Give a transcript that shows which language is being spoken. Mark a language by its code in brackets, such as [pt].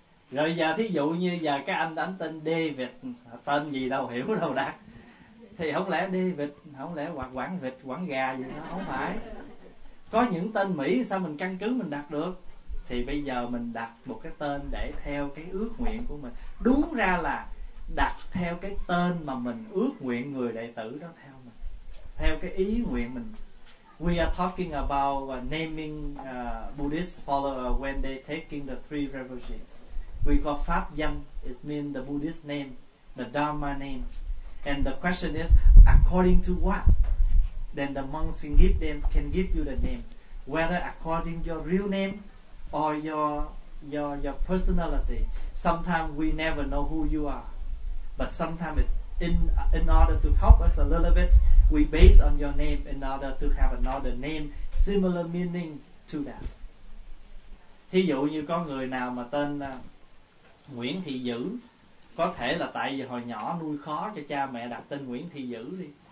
[vi] Rồi giờ thí dụ như giờ các anh đánh tên David, tên gì đâu hiểu đâu đặt, thì không lẽ David, không lẽ hoặc Quảng Vịt, Quảng Gà gì đó, không phải. Có những tên Mỹ sao mình căn cứ mình đặt được. Thì bây giờ mình đặt một cái tên để theo cái ước nguyện của mình. Đúng ra là đặt theo cái tên mà mình ước nguyện người đệ tử đó theo mình, theo cái ý nguyện mình. [en] We are talking about naming Buddhist followers when they taking the three refuges. We call Pháp danh, it means the Buddhist name, the Dharma name. And the question is, according to what? Then the monks can give them, can give you the name, whether according your real name or your personality. Sometimes we never know who you are, but sometimes it's in order to help us a little bit, we base on your name in order to have another name similar meaning to that. [vi] Thí dụ như có người nào mà tên Nguyễn Thị Dữ, có thể là tại vì hồi nhỏ nuôi khó cho cha mẹ đặt tên Nguyễn Thị Dữ đi.